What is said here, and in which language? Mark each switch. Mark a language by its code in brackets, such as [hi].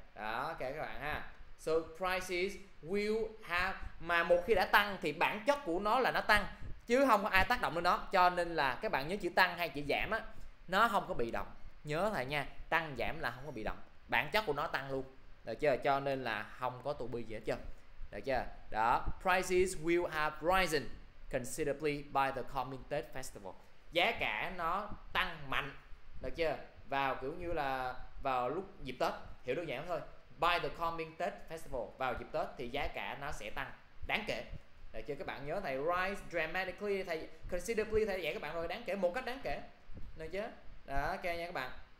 [vi] Đó, ok các bạn ha. [en] So prices will have, [vi] mà một khi đã tăng thì bản chất của nó là nó tăng chứ không có ai tác động lên nó, cho nên là các bạn nhớ chữ tăng hay chữ giảm á, nó không có bị động. Nhớ thầy nha, tăng giảm là không có bị động, bản chất của nó tăng luôn. Được chưa? Cho nên là không có to be gì hết trơn. Được chưa? [en] Đó, prices will have risen considerably by the coming Tết festival. [vi] Giá cả nó tăng mạnh. Được chưa? Vào kiểu như là vào lúc dịp Tết, hiểu đơn giản thôi. [en] By the coming Tết festival, [vi] vào dịp Tết thì giá cả nó sẽ tăng đáng kể. Được chưa? Các bạn nhớ thầy [en] rise dramatically, [vi] thầy considerably thầy dạy các bạn rồi, đáng kể, một cách đáng kể. Được chưa? Đó, ok nha các bạn.